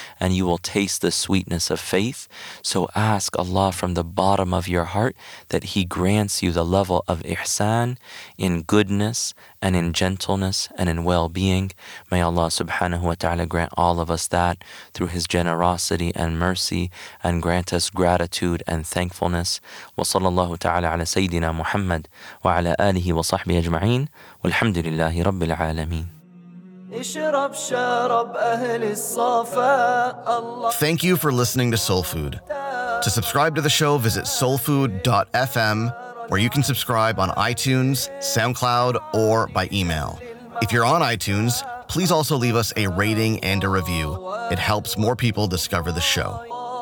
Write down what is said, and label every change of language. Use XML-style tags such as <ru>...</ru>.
<en>And you will taste the sweetness of faith. So ask Allah from the bottom of your heart that He grants you the level of ihsan in goodness and in gentleness and in well-being. May Allah subhanahu wa ta'ala grant all of us that through His generosity and mercy, and grant us gratitude and thankfulness.</en> <ar>وصلى الله تعالى على سيدنا محمد وعلى آله وصحبه أجمعين والحمد لله رب العالمين.</ar> <en>Thank you for listening to Soul Food. To subscribe to the show, visit soulfood.fm, where you can subscribe on iTunes, SoundCloud, or by email. If you're on iTunes, please also leave us a rating and a review. It helps more people discover the show.</en>